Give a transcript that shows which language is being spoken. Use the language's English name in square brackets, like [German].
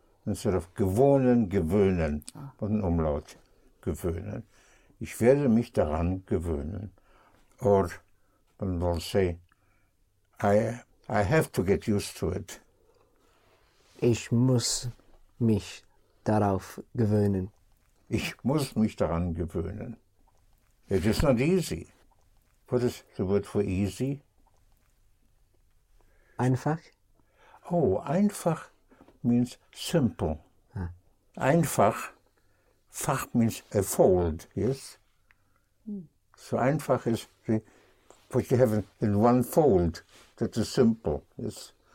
[English] Instead of [German] gewöhnen, gewöhnen. Und Umlaut, gewöhnen. Ich werde mich daran gewöhnen. [English] Or, one will say, I have to get used to it. [German] Ich muss mich darauf gewöhnen. Ich muss mich daran gewöhnen. [English] It is not easy. What is the word for easy? [German] Einfach. [English] Oh, einfach means simple. Ah. Einfach, fach means a fold, yes? So einfach is what you have in one fold, that is simple, yes?